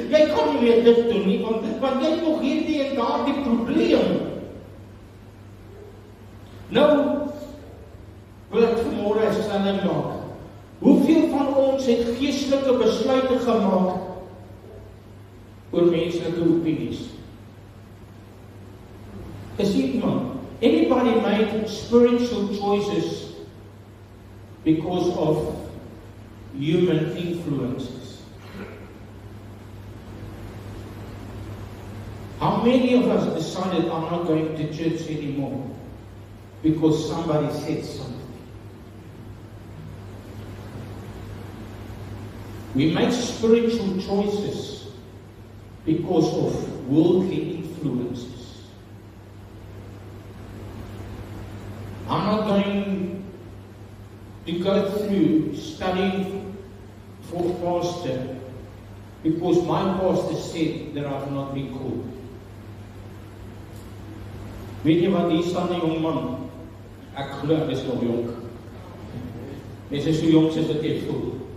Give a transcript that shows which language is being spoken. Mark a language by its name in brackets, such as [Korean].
[Afrikaans] Jy kan nie meer dit doen nie, want jy het nog hierdie en daardie probleem. Nou, wil ek vanmôre 'n stelling maak. Hoeveel van ons ons het geestelike besluite gemaak oor menslike opinies. Is iemand, [English] anybody made spiritual choices because of human influences? How many of us decided I'm not going to church anymore because somebody said something? We make spiritual choices because of worldly influences. I'm not going to go through studying for pastor because my pastor said that I've not been called. [Afrikaans] Weet jy wat, hier staan die jong man. Ek glo hy is nog jong. Hy is so jong soos wat hy voel.